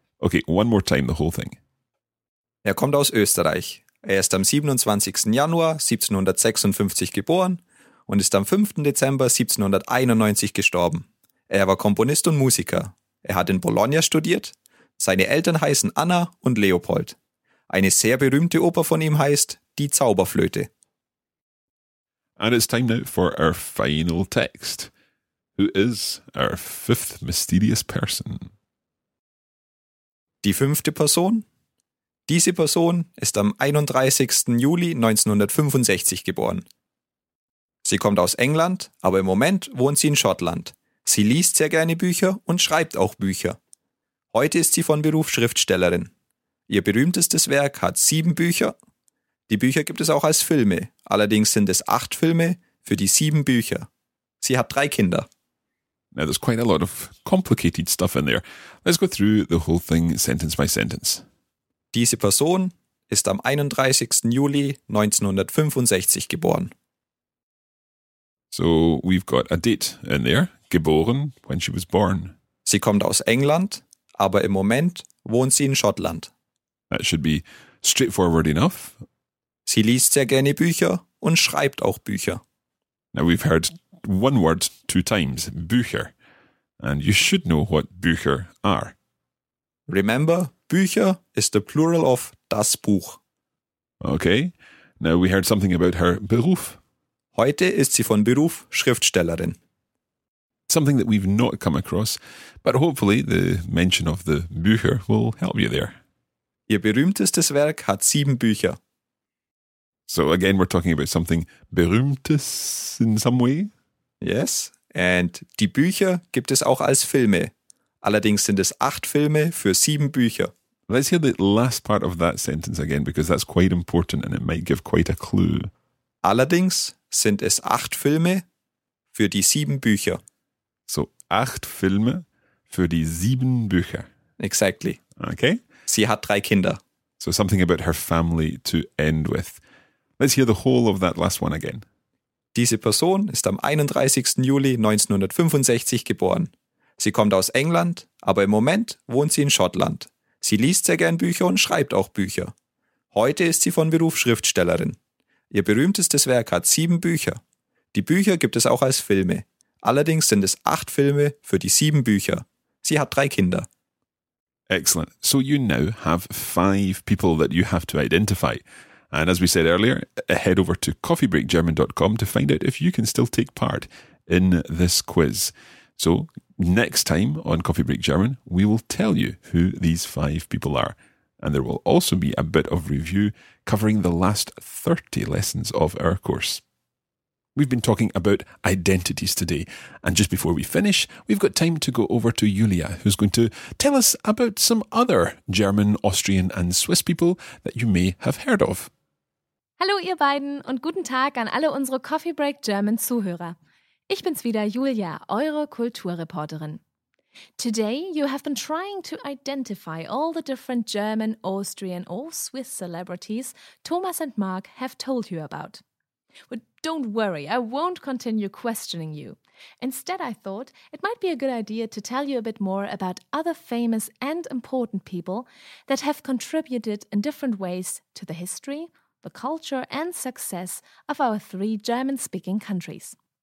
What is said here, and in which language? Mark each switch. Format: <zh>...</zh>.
<en>Okay, one more time, the whole thing.</en> <de>Er kommt aus Österreich. Er ist am 27. Januar 1756 geboren und ist am 5. Dezember 1791 gestorben. Er war Komponist und Musiker. Er hat in Bologna studiert. Seine Eltern heißen Anna und Leopold. Eine sehr berühmte Oper von ihm heißt Die Zauberflöte.</de> <en>And it's time now for our final text. Who is our fifth mysterious person?</en> <de>Die fünfte Person. Diese Person ist am 31. Juli 1965 geboren. Sie kommt aus England, aber im Moment wohnt sie in Schottland. Sie liest sehr gerne Bücher und schreibt auch Bücher. Heute ist sie von Beruf Schriftstellerin. Ihr berühmtestes Werk hat 7 Bücher. Die Bücher gibt es auch als Filme. Allerdings sind es 8 Filme für die 7 Bücher. Sie hat 3 Kinder.</de> <en>Now there's quite a lot of complicated stuff in there. Let's go through the whole thing sentence by sentence.</en> <de>Diese Person ist am 31. Juli 1965 geboren.</de> <en>So we've got a date in there. Geboren, when she was born.</en> <de>Sie kommt aus England, aber im Moment wohnt sie in Schottland.</de> <en>That should be straightforward enough.</en> <de>Sie liest sehr gerne Bücher und schreibt auch Bücher.</de> <en>Now we've heard one word 2 times, Bücher. And you should know what Bücher are. Remember, Bücher is the plural of das Buch. Okay, now we heard something about her Beruf.</en> <de>Heute ist sie von Beruf Schriftstellerin.</de> <en>Something that we've not come across, but hopefully the mention of the Bücher will help you there.</en> <de>Ihr berühmtestes Werk hat 7 Bücher.</de> <en>So again, we're talking about something berühmtes in some way. Yes, and</en> <de>die Bücher gibt es auch als Filme. Allerdings sind es 8 Filme für 7 Bücher.</de> <en>Let's hear the last part of that sentence again, because that's quite important and it might give quite a clue.</en> <de>Allerdings sind es 8 Filme für die 7 Bücher. So, 8 Filme für die 7 Bücher.</de> <en>Exactly. Okay.</en> <de>Sie hat 3 Kinder.</de> <en>So something about her family to end with. Let's hear the whole of that last one again.</en> <de>Diese Person ist am 31. Juli 1965 geboren. Sie kommt aus England, aber im Moment wohnt sie in Schottland. Sie liest sehr gern Bücher und schreibt auch Bücher. Heute ist sie von Beruf Schriftstellerin. Ihr berühmtestes Werk hat 7 Bücher. Die Bücher gibt es auch als Filme. Allerdings sind es 8 Filme für die 7 Bücher. Sie hat 3 Kinder.</de> <en>Excellent. So you now have 5 people that you have to identify. And as we said earlier, head over to coffeebreakgerman.com to find out if you can still take part in this quiz. So next time on Coffee Break German, we will tell you who these 5 people are. And there will also be a bit of review covering the last 30 lessons of our course. We've been talking about identities today. And just before we finish, we've got time to go over to Julia, who's going to tell us about some other German, Austrian and Swiss people that you may have heard of.</en> <de>Hallo ihr beiden und guten Tag an alle unsere Coffee Break German Zuhörer. Ich bin's wieder, Julia, eure Kulturreporterin.</de> <en>Today you have been trying to identify all the different German, Austrian or Swiss celebrities Thomas and Mark have told you about. But don't worry, I won't continue questioning you. Instead, I thought it might be a good idea to tell you a bit more about other famous and important people that have contributed in different ways to the history, the culture and success of our 3 German-speaking countries.</en>